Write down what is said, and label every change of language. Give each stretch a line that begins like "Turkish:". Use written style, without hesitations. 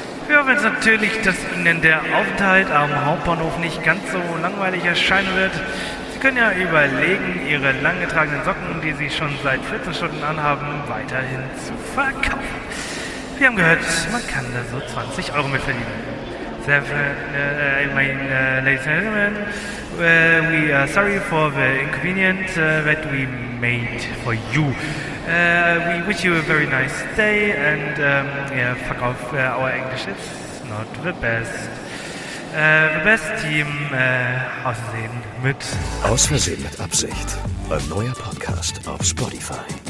German: Wir hoffen jetzt natürlich, dass Ihnen der Aufenthalt am Hauptbahnhof nicht ganz so langweilig erscheinen wird. Sie können ja überlegen, Ihre langgetragenen Socken, die Sie schon seit 14 Stunden anhaben, weiterhin zu verkaufen. Wir haben gehört, man kann da so 20 Euro mit verdienen. Sehr verehrte
English: ladies and gentlemen, we are sorry for the inconvenience that we made for you. We wish you a very nice day and fuck off, our English is not the best. The best team,
German: Außersehen mit Absicht. Außersehen mit Absicht, ein neuer Podcast auf Spotify.